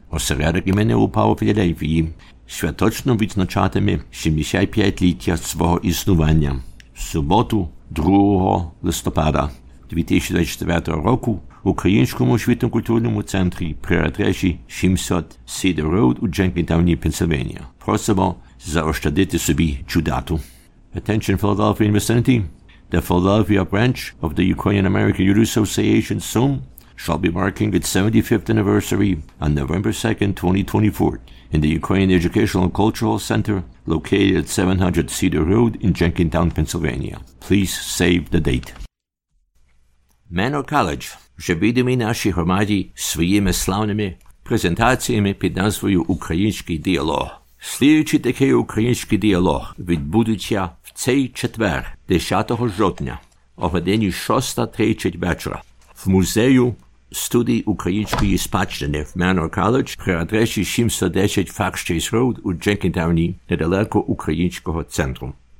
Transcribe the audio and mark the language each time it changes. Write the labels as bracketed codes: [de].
[uk] У середу імені УПА у Філадельфії святочно відзначатиме 75-ліття свого існування. В суботу 2 листопада 2024 року в Українському освітньо-культурному центрі при адресі 700 Cedar Road у Дженкінтауні, Пенсильванія. Просимо заощадити собі цю дату. [en] Attention Philadelphia and vicinity. The Philadelphia branch of the Ukrainian American Youth Association soon shall be marking its 75th anniversary on November 2nd, 2024 in the Ukrainian Educational and Cultural Center located at 700 Cedar Road in Jenkintown, Pennsylvania. Please save the date. Manor College. [uk] Вже відомі наші громаді своїми славними презентаціями під назвою «Український діалог». Слідуючий такий український діалог відбудеться в цей четвер, 10 жовтня, о годині 6:30 вечора в музею студії української спадщини в Manor College при адресі 710 Fox Chase Road у Дженкінтауні, недалеко українського центру.